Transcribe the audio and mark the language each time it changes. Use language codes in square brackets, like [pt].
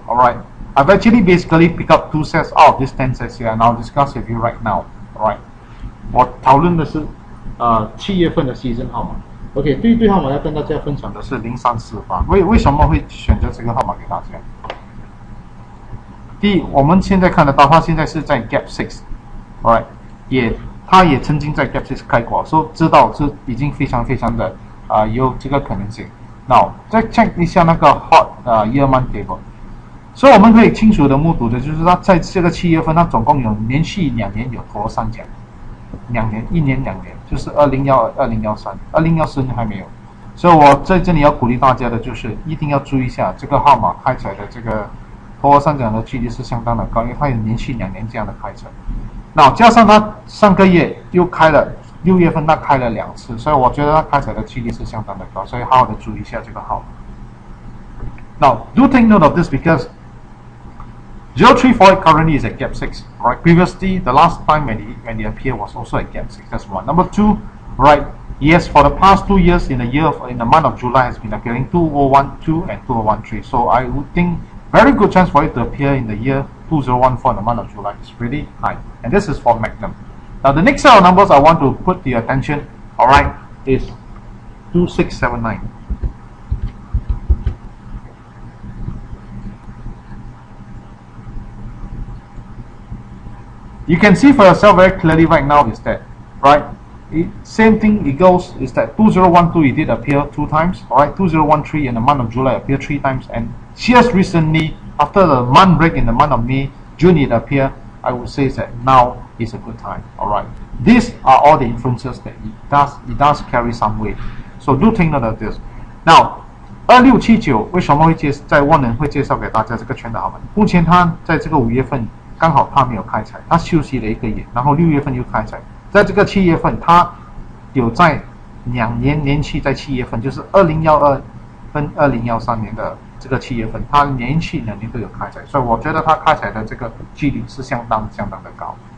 [en] Alright, I've actually basically picked up 2 sets out of these 10 sets here, and I'll discuss with you right now. [zh] Alright. 我讨论的是七月份的 season 号码。 OK， 第一对号码要跟大家分享的是0348。为什么会选择这个号码给大家？第一，我们现在看得到它现在是在 gap 6， alright， 也它也曾经在 gap 6开过，所以知道是已经非常非常的有这个可能性。 Now 再 check 一下那个 hot year month table，所以我们可以清楚的目睹的就是它在这个七月份它总共有连续两年有头上奖，两年，就是2012、2013、2014还没有。所以我在这里要鼓励大家的就是一定要注意一下这个号码开起来的这个托儿上涨的距离是相当的高，因为它有连续两年这样的开成。那加上它上个月又开了，六月份它开了两次，所以我觉得它开起来的距离是相当的高，所以好好的注意一下这个号码。 [en] Now do take note of this because 0348 currently is at gap 6, right? Previously, the last time when it appeared was also at gap 6, that's one. Number two, right? Yes, for the past 2 years, in the month of July, has been appearing 2012 and 2013. So I would think very good chance for it to appear in the year 2014, in the month of July. It's really high. And this is for Magnum. Now, the next set of numbers I want to put the attention, all right, is 2679. You can see for yourself very clearly right now is that, right? Same thing, 2012 it did appear 2 times, right? 2013 in the month of July appeared 3 times, and just recently, after the month break in the month of May, June it appeared. I would say that now is a good time, all right? These are all the influences that it does carry some weight. So do take note of this. [zh] Now, 2679, 为什么会介在万能会介绍给大家这个圈的好吗？目前它在这个五月份。刚好他没有开采，他休息了一个月，然后六月份又开采，在这个七月份他有在两年连续在七月份，就是2012跟2013年的这个七月份，他连续两年都有开采，所以我觉得他开采的这个几率是相当相当的高。